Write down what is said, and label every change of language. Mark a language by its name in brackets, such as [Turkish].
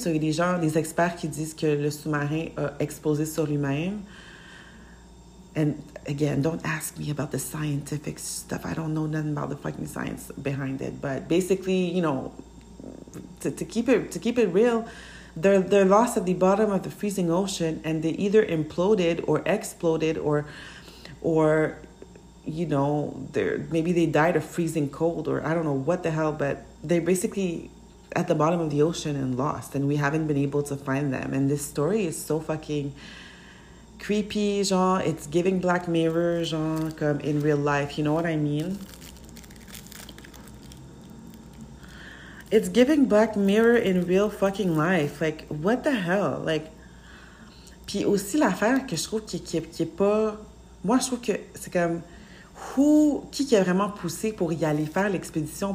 [French] So, il y a des gens, des experts qui disent que le sous-marin a explosé sur lui-même. [English] And again, don't ask me about the scientific stuff. I don't know nothing about the fucking science behind it. But basically, you know, to keep it real, they're lost at the bottom of the freezing ocean, and they either imploded or exploded, or you know, maybe they died of freezing cold, or I don't know what the hell. But they're basically at the bottom of the ocean and lost, and we haven't been able to find them. And this story is so fucking creepy, genre, it's giving Black Mirror, genre, comme in real life, you know what I mean? It's giving Black Mirror in real fucking life, like, what the hell? [French] Like, pis aussi l'affaire que je trouve qui est pas, moi je trouve que c'est comme, qui a vraiment poussé pour y aller faire l'expédition?